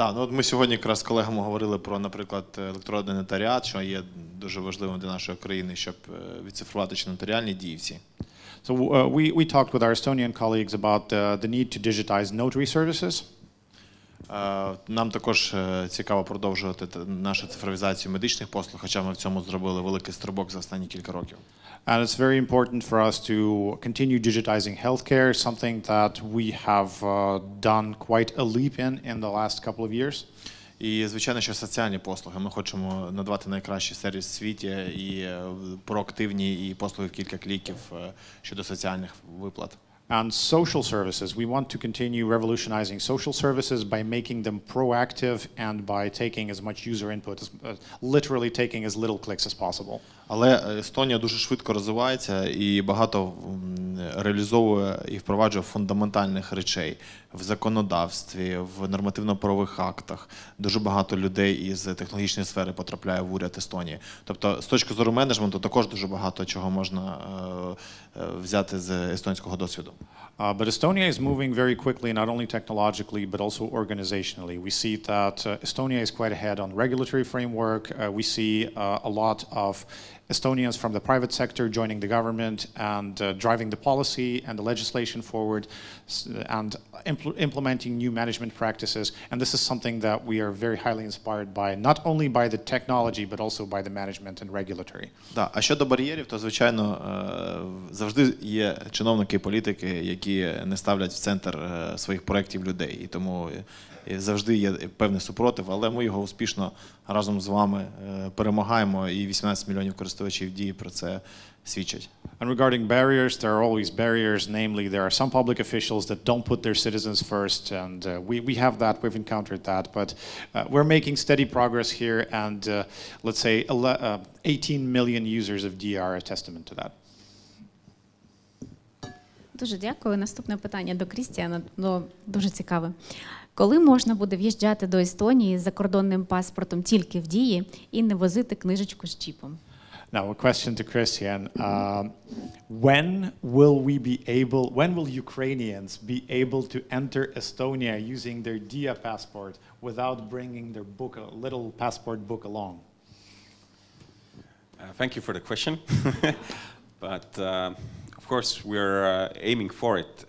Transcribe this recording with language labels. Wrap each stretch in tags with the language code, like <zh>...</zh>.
<uk>Ми сьогодні якраз з колегами говорили про, наприклад, електронний нотаріат, що є дуже важливим для нашої країни, щоб відцифрувати чи нотаріальні дії всі.</uk> <en>So we talked with our Estonian colleagues about the need to digitize notary services.</en> <uk>Нам також цікаво продовжувати нашу цифровізацію медичних послуг, хоча ми в цьому зробили великий стрибок за останні кілька років.</uk> <en>And it's very important for us to continue digitizing healthcare, something that we have done quite a leap in the last couple of years.</en> <uk>І, звичайно, ще соціальні послуги. Ми хочемо надавати найкращий сервіс в світі і проактивні і послуги в кілька кліків щодо соціальних виплат.</uk> <en>And social services. We want to continue revolutionizing social services by making them proactive and by taking as much user input, literally taking as little clicks as possible.</en> <uk>Але Естонія дуже швидко розвивається і багато реалізовує і впроваджує фундаментальних речей в законодавстві, в нормативно-правових актах. Дуже багато людей із технологічної сфери потрапляє в уряд Естонії. Тобто з точки зору менеджменту також дуже багато чого можна взяти з естонського досвіду.</uk> <en>But Estonia is moving very quickly, not only technologically, but also organizationally. We see that Estonia is quite ahead on regulatory framework. We see a lot of Estonians from the private sector joining the government and driving the policy and the legislation forward and implementing new management practices. And this is something that we are very highly inspired by, not only by the technology, but also by the management and regulatory.</en> <uk>Да, а щодо бар'єрів, то, звичайно, завжди є чиновники і політики, які не ставлять в центр своїх проєктів людей. І тому завжди є певний супротив, але ми його успішно разом з вами перемагаємо, і 18 мільйонів користувачів дії про це свідчать.</uk> <en>And regarding barriers, there are always barriers, namely there are some public officials that don't put their citizens first, and we have that, we've encountered that, but we're making steady progress here, and let's say 18 million users of DR are a testament to that.</en> <uk>Дуже дякую. Наступне питання до Крістіана, дуже цікаве. Коли можна буде в'їжджати до Естонії з закордонним паспортом тільки в дії і не возити книжечку з чіпом?</uk> <en>Now a question to Christian. When will Ukrainians be able to enter Estonia using their DIA passport without bringing their book, a little passport book along? Thank you for the question. But of course we're aiming for it.</en>